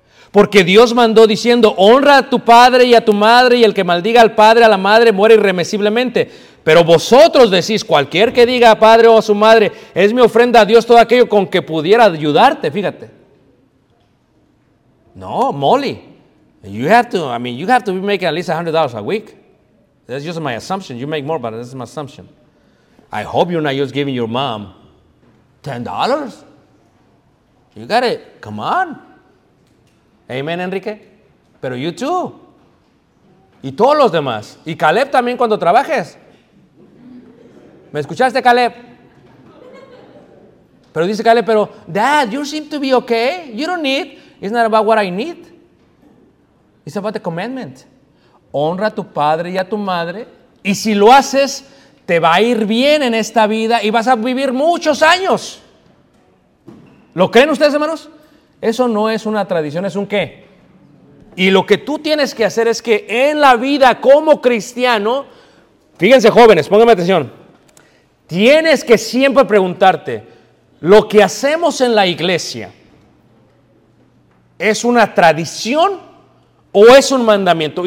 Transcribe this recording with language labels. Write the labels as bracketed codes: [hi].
[es] Porque Dios mandó diciendo, honra a tu padre y a tu madre, y el que maldiga al padre, a la madre, muere irremisiblemente. Pero vosotros decís, cualquier que diga a padre o a su madre, es mi ofrenda a Dios todo aquello con que pudiera ayudarte, fíjate. [en] No, Molly, you have to be making at least $100 a week. That's just my assumption. You make more, but that's my assumption. I hope you're not just giving your mom $10. You got it. Come on. Amen, Enrique. [es] Pero [en] you too. [es] Y todos los demás. Y Caleb también cuando trabajes. ¿Me escuchaste, Caleb? Pero dice Caleb, pero [en] Dad, you seem to be okay. You don't need. It's not about what I need. It's about the commandment. [es] Honra a tu padre y a tu madre. Y si lo haces, te va a ir bien en esta vida y vas a vivir muchos años. ¿Lo creen ustedes, hermanos? Eso no es una tradición, es un qué. Y lo que tú tienes que hacer es que en la vida como cristiano, fíjense, jóvenes, pónganme atención, tienes que siempre preguntarte, ¿lo que hacemos en la iglesia es una tradición o es un mandamiento?